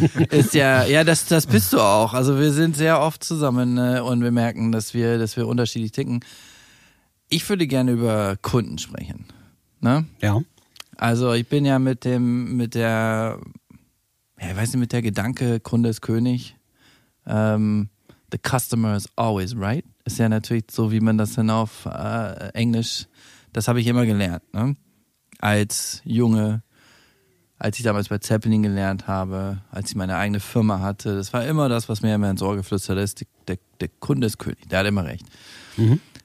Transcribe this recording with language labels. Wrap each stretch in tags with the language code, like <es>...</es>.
<de>Ist ja, das bist du auch. Also wir sind sehr oft zusammen, ne? Und wir merken, dass wir unterschiedlich ticken. Ich würde gerne über Kunden sprechen. Ne? Ja. Also ich bin ja mit der Gedanke, Kunde ist König.</de> <en>The customer is always right.</en> <de>Ist ja natürlich so, wie man das dann auf Englisch, das habe ich immer gelernt, ne? Als Junge, als ich damals bei Zeppelin gelernt habe, als ich meine eigene Firma hatte, das war immer das, was mir immer ins Ohr geflüstert ist, der Kunde ist König, der hat immer recht. Mhm.</de>